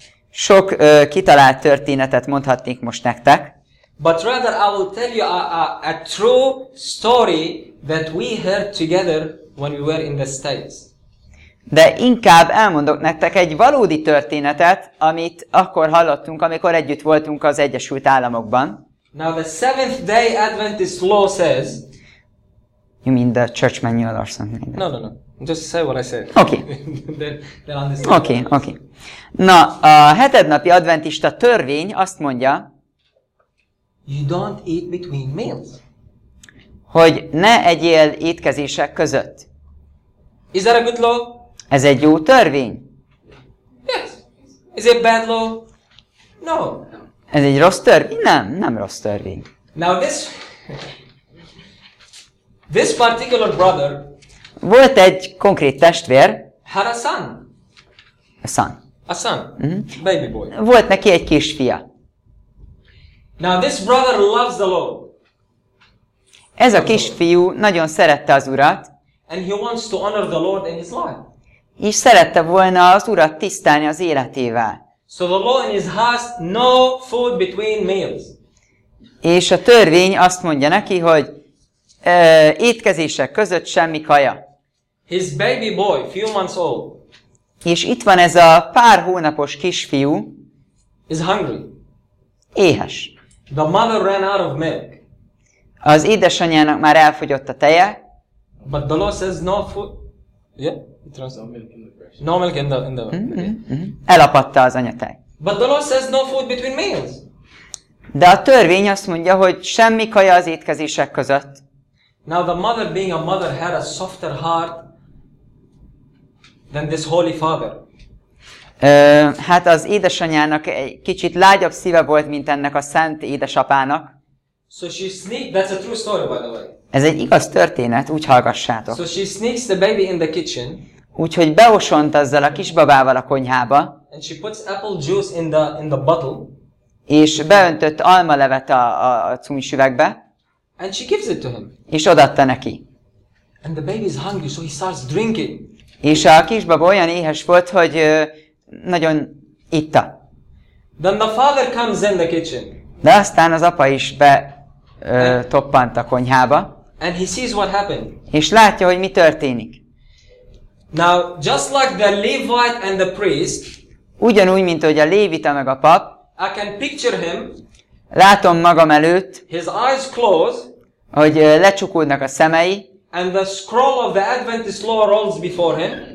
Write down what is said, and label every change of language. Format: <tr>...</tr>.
<hu>Sok kitalált történetet mondhatnék most nektek.</hu> <en>But rather I will tell you a true story that we heard together when we were in the States.</en> <hu>De inkább elmondok nektek egy valódi történetet, amit akkor hallottunk, amikor együtt voltunk az Egyesült Államokban.</hu> <en>Now the Seventh Day Adventist law says. You mean the church manual or something? No. Just say what I said. Okay. then okay.</en> <hu>Na, a hetednapi adventista törvény azt mondja,</hu> <en>you don't eat between meals.</en> <hu>Hogy ne egyél étkezések között.</hu> <en>Is that a good law?</en> <hu>Ez egy jó törvény?</hu> <en>Yes. Is it bad law? No.</en> <hu>Ez egy rossz törvény? Nem rossz törvény.</hu> <en>Now this particular brother.</en> <hu>Volt egy konkrét testvér.</hu> <en>Had a son. A son. Mm-hmm. Baby boy.</en> <hu>Volt neki egy kisfia.</hu> <en>Now this brother loves the Lord.</en> <hu>Ez a kisfiú nagyon szerette az Urat.</hu> <en>And he wants to honor the Lord in his life.</en> <hu>És szerette volna az Urat tisztelni az életével.</hu> <en>So the law in his house, no food between meals.</en> <hu>És a törvény azt mondja neki, hogy étkezések között semmi kaja.</hu> <en>His baby boy, few months old.</en> <hu>És itt van ez a pár hónapos kisfiú.</hu> <en>Is hungry.</en> <hu>Éhes.</hu> <en>The mother ran out of milk.</en> <hu>Az édesanyjának már elfogyott a teje.</hu> <en>But the law says no food. Yeah, it runs out of milk in the fresh. No milk in the. Mm-hmm.</en> <hu>Mm-hmm. Elapadta az anyatej.</hu> <en>But the law says no food between meals.</en> <hu>De a törvény azt mondja, hogy semmi kaja az étkezések között.</hu> <en>Now the mother, being a mother, had a softer heart than this holy father.</en> <hu>Hát az édesanyjának egy kicsit lágyabb szíve volt, mint ennek a szent édesapának.</hu> <en>So she sneaked, that's a true story, by the way.</en> <hu>Ez egy igaz történet, úgy hallgassátok.</hu> <en>So she sneaks the baby in the kitchen.</en> <hu>Úgyhogy beosont azzal a kisbabával a konyhába.</hu> <en>And she puts apple juice in the bottle.</en> <hu>És beöntött almalevet a cumis üvegbe.</hu> <en>And she gives it to him.</en> <hu>És odaadta neki.</hu> <en>And the baby is hungry, so he starts drinking.</en> <hu>És a kisbaba olyan éhes volt, hogy nagyon itta.</hu> <en>Then the father comes in the kitchen.</en> <hu>De aztán az apa is be toppant a konyhába.</hu> <en>And he sees what happened.</en> <hu>És látja, hogy mi történik.</hu> <en>Now, just like the Levite and the priest,</en> <hu>ugyanúgy, mint hogy a lévita meg a pap,</hu> <en>I can picture him,</en> <hu>látom magam előtt,</hu> <en>his eyes closed,</en> <hu>hogy lecsukódnak a szemei,</hu> <en>and the scroll of the Adventist law rolls before him,</en>